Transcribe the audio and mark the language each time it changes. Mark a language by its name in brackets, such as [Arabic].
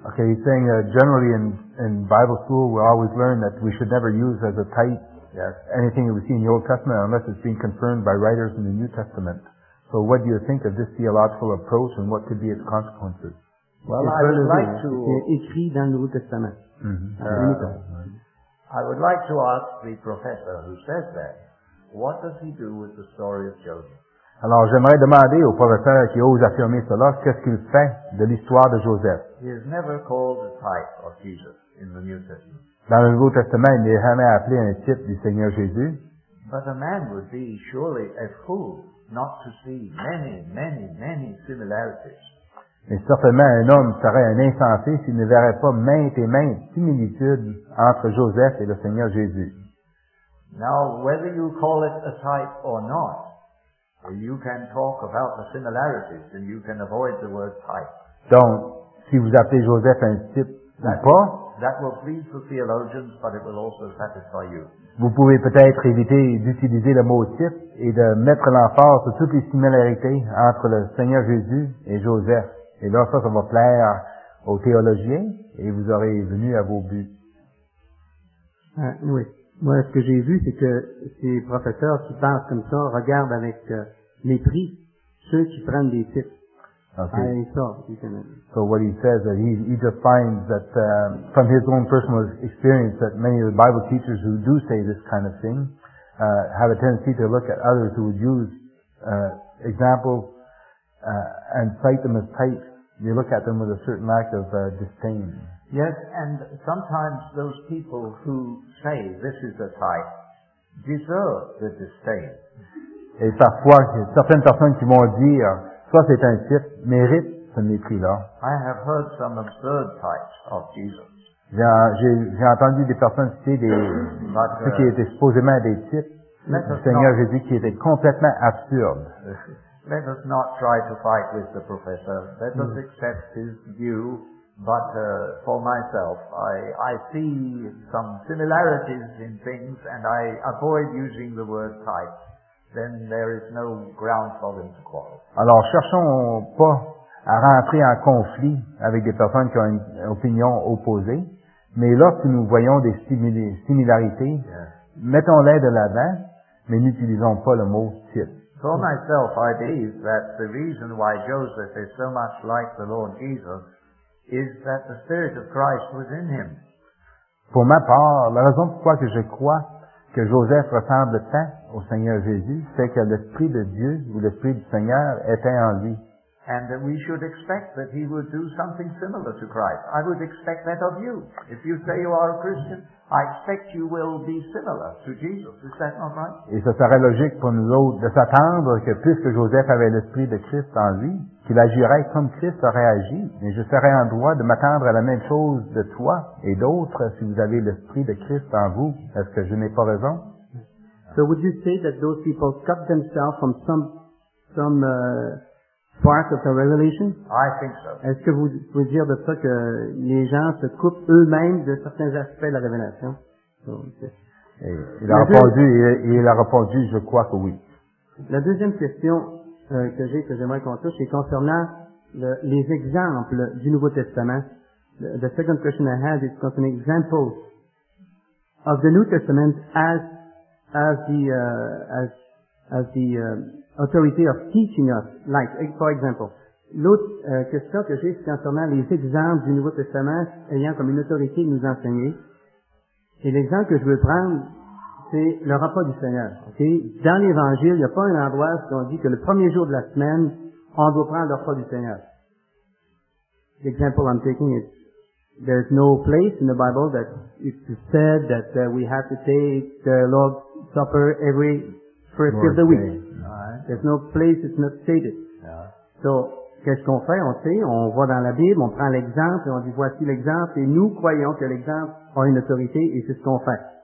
[English] Okay, he's saying generally in Bible school we always learn that we should never use as a type anything that we see in the Old Testament unless it's being confirmed by writers in the New Testament. So what do you think of this theological approach and what could be its consequences? Well, I would like to... [French] écrit dans le Nouveau Testament. [English] I would like to ask the professor who says that, what does he do with the story of Joseph? [French] Alors, j'aimerais demander au professeur qui ose affirmer cela, qu'est-ce qu'il fait de l'histoire de Joseph? [English] He is never called a type of Jesus in the New Testament. [French] Dans le Nouveau Testament, il n'est jamais appelé un type du Seigneur Jésus. [English] But a man would be surely a fool not to see many, many, many similarities. [French] Mais certainement, un homme serait un insensé s'il ne verrait pas maintes et maintes similitudes entre Joseph et le Seigneur Jésus. [English] Now, whether you call it a type or not, you can talk about the similarities and you can avoid the word type. [French] Donc, si vous appelez Joseph un type ou pas, [English] that will please the theologians, but it will also satisfy you. [French] Vous pouvez peut-être éviter d'utiliser le mot type et de mettre l'emphase sur toutes les similarités entre le Seigneur Jésus et Joseph. Et là, ça va plaire aux théologiens et vous aurez venu à vos buts. Oui. Moi, ce que j'ai vu, c'est que ces professeurs qui pensent comme ça regardent avec mépris ceux qui prennent des types. [English] Okay. So what he says that he just finds that from his own personal experience that many of the Bible teachers who do say this kind of thing have a tendency to look at others who would use examples and cite them as types. They look at them with a certain lack of disdain. Yes, and sometimes those people who say this is a type deserve the disdain. [French] Et parfois, certaines personnes qui vont dire, ça c'est un type, mérite ce mépris-là. [English] I have heard some absurd types of Jesus. [French] J'ai entendu des personnes citer ceux qui étaient supposément des types du Seigneur Jésus qui étaient complètement absurdes. [English] Let us not try to fight with the professor. Let us accept his view But for myself, I see some similarities in things, and I avoid using the word type. Then there is no ground for them to quarrel. [French] Alors, cherchons pas à rentrer en conflit avec des personnes qui ont une opinion opposée, mais lorsque nous voyons des similarités, [English] yeah. [French] Mettons-les de l'avant, mais n'utilisons pas le mot type. [English] For myself, I believe that the reason why Joseph is so much like the Lord Jesus is that the Spirit of Christ was in him. [French] Pour ma part, la raison pourquoi que je crois que Joseph ressemble tant au Seigneur Jésus, c'est que l'Esprit de Dieu ou l'Esprit du Seigneur était en lui. [English] And that we should expect that he would do something similar to Christ. I would expect that of you. If you say you are a Christian, I expect you will be similar to Jesus. Is that not right? [French] Et ce serait logique pour nous autres de s'attendre que puisque Joseph avait l'Esprit de Christ en lui, qu'il agirait comme Christ aurait agi, mais je serais en droit de m'attendre à la même chose de toi et d'autres si vous avez l'Esprit de Christ en vous. Est-ce que je n'ai pas raison? [English] So would you say that those people cut themselves from some part of the revelation? I think so. [French] Est-ce que vous pouvez dire de ça que les gens se coupent eux-mêmes de certains aspects de la révélation? Il a répondu, je crois que oui. La deuxième question que j'aimerais qu'on touche, c'est concernant les exemples du Nouveau Testament. [English] The second question I had is concerning examples of the New Testament as the authority of teaching us. Like, for example, [French] l'autre question que j'ai, c'est concernant les exemples du Nouveau Testament ayant comme une autorité de nous enseigner. Et l'exemple que je veux prendre, c'est le repas du Seigneur. Okay? Dans l'Évangile, il n'y a pas un endroit où on dit que le premier jour de la semaine, on doit prendre le repas du Seigneur. L'exemple [English] I'm taking is, there's no place in the Bible that it said that we have to take the Lord's Supper every first day of the week. Right. There's no place, it's not stated. Yeah. [French] So, qu'est-ce qu'on fait? On sait, on voit dans la Bible, on prend l'exemple et on dit voici l'exemple et nous croyons que l'exemple a une autorité et c'est ce qu'on fait.